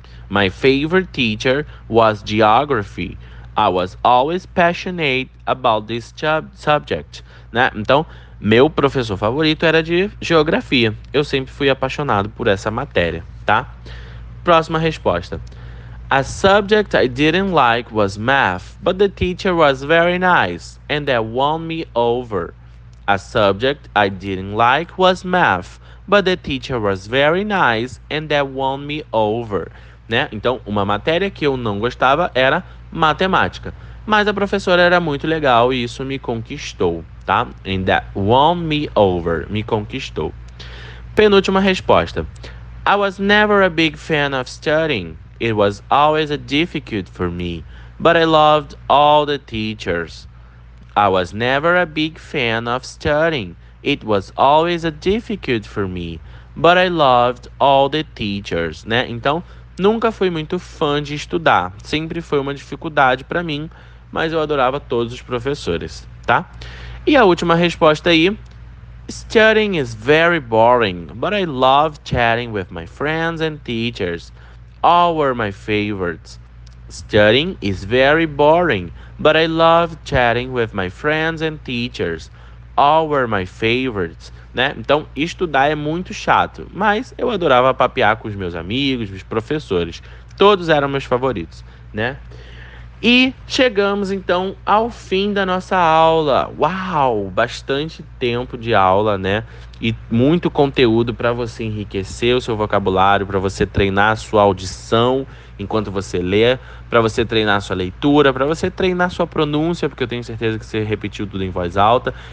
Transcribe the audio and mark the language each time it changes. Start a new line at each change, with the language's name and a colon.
English: My favorite teacher was geography. I was always passionate about this subject. Né?
Portuguese: Então, meu professor favorito era de geografia. Eu sempre fui apaixonado por essa matéria, tá? Próxima resposta.
English: A subject I didn't like was math, but the teacher was very nice and that won me over. A subject I didn't like was math, but the teacher was very nice and that won me over.
Portuguese: Né? Então, uma matéria que eu não gostava era matemática. Mas a professora era muito legal e isso me conquistou, tá?
English: And that won me over.
Portuguese: Me conquistou. Penúltima resposta.
English: I was never a big fan of studying. It was always a difficult for me, but I loved all the teachers. I was never a big fan of studying. It was always a difficult for me, but I loved all the teachers, né?
Portuguese: Então, nunca fui muito fã de estudar. Sempre foi uma dificuldade para mim, mas eu adorava todos os professores, tá? E a última resposta aí.
English: Studying is very boring, but I love chatting with my friends and teachers. All were my favorites. Studying is very boring, but I love chatting with my friends and teachers. All were my favorites. Né?
Portuguese: Então, estudar é muito chato, mas eu adorava papear com os meus amigos, os professores. Todos eram meus favoritos, né? E chegamos então ao fim da nossa aula. Uau, bastante tempo de aula, né? E muito conteúdo para você enriquecer o seu vocabulário, para você treinar a sua audição enquanto você lê, para você treinar a sua leitura, para você treinar a sua pronúncia, porque eu tenho certeza que você repetiu tudo em voz alta.